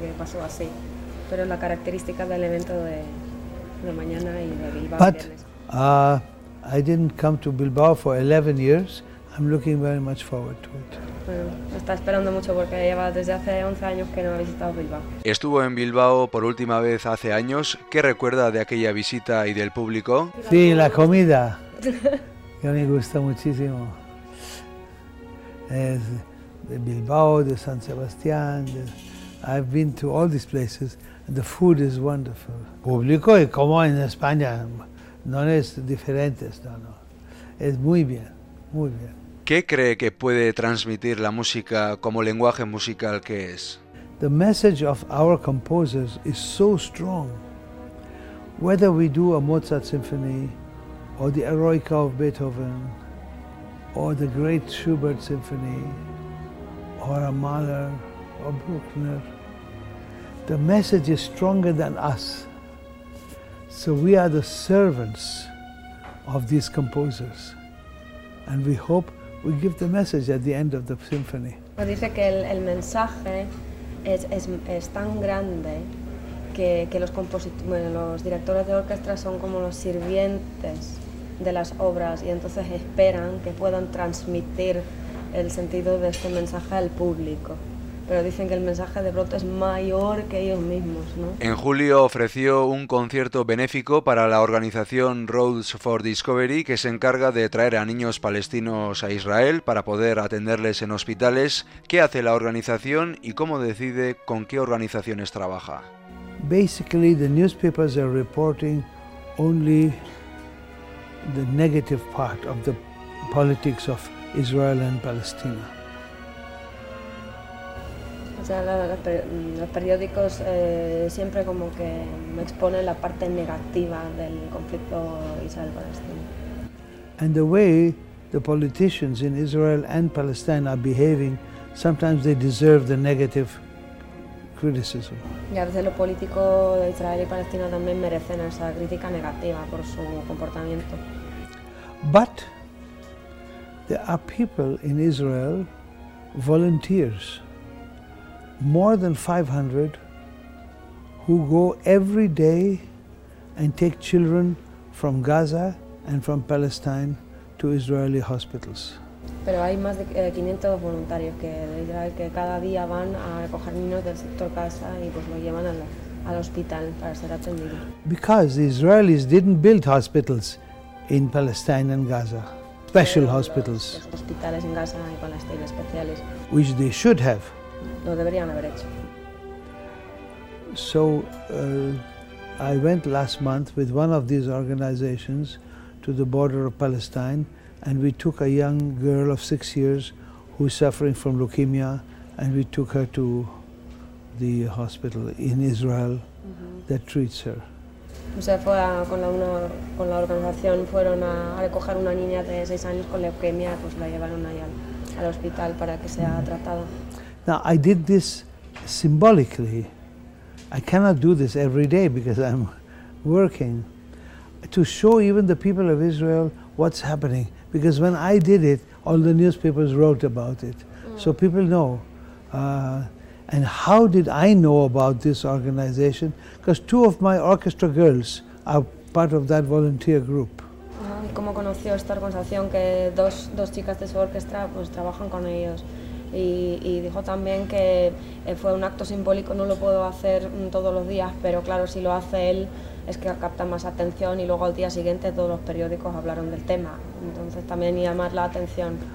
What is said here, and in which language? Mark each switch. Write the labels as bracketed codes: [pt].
[es] Que pasó así, pero es la característica del evento de mañana y de Bilbao. [en] But I didn't come to Bilbao for 11 years. I'm looking very much forward to it. [es] Está esperando mucho porque lleva desde hace 11 años que no ha visitado Bilbao. Estuvo en Bilbao por última vez hace años. ¿Qué recuerda de aquella visita y del público? Sí, la comida. Que me gusta muchísimo. Es de Bilbao, de San Sebastián. [en] I've been to all these places. The food is wonderful. [es] Público y como en España. No es diferente, no. Es muy bien, muy bien. ¿Qué cree que puede transmitir la música como lenguaje musical que es? [en] The message of our composers is so strong. Whether we do a Mozart symphony, or the Eroica of Beethoven, or the great Schubert symphony, or a Mahler or Bruckner, the message is stronger than us. So we are the servants of these composers. And we hope we give the message at the end of the symphony. [es] Dice que el mensaje es tan grande que los los directores de orquesta son como los sirvientes de las obras y entonces esperan que puedan transmitir el sentido de este mensaje al público. Pero dicen que el mensaje de Brot es mayor que ellos mismos, ¿no? En julio ofreció un concierto benéfico para la organización Roads for Discovery, que se encarga de traer a niños palestinos a Israel para poder atenderles en hospitales. ¿Qué hace la organización y cómo decide con qué organizaciones trabaja? [en] Basically, the newspapers are reporting only the negative part of the politics of Israel and Palestine. [es] O sea, los periódicos siempre como que me exponen la parte negativa del conflicto Israel-Palestina. [en] And the way the politicians in Israel and Palestine are behaving, sometimes they deserve the negative criticism. [es] Y a veces los políticos de Israel y Palestina también merecen esa crítica negativa por su comportamiento. [en] But there are people in Israel, volunteers, more than 500, who go every day and take children from Gaza and from Palestine to Israeli hospitals. [es] Pero hay más de 500 voluntarios que de Israel que cada día van a recoger niños del sector Gaza y pues lo llevan al hospital para ser atendido. [en] Because the Israelis didn't build hospitals in Palestine and Gaza, special hospitals. [es] Los hospitales en Gaza y Palestina especiales. [en] Which they should have. [es] Lo deberían haber hecho. [en] So I went last month with one of these organizations to the border of Palestine and we took a young girl of 6 years who is suffering from leukemia and we took her to the hospital in Israel that treats her. [es] O sea, con la organización fueron a recoger una niña de 6 años con leucemia, pues la llevaron ahí al hospital para que sea tratada. [en] Now, I did this symbolically. I cannot do this every day because I'm working. To show even the people of Israel what's happening. Because when I did it, all the newspapers wrote about it. So people know. And how did I know about this organization? Because two of my orchestra girls are part of that volunteer group. [es] ¿Cómo conoció esta organización que dos chicas de su orquesta pues trabajan con ellos? Y dijo también que fue un acto simbólico, no lo puedo hacer todos los días, pero claro, si lo hace él es que capta más atención y luego al día siguiente todos los periódicos hablaron del tema, entonces también llamar la atención.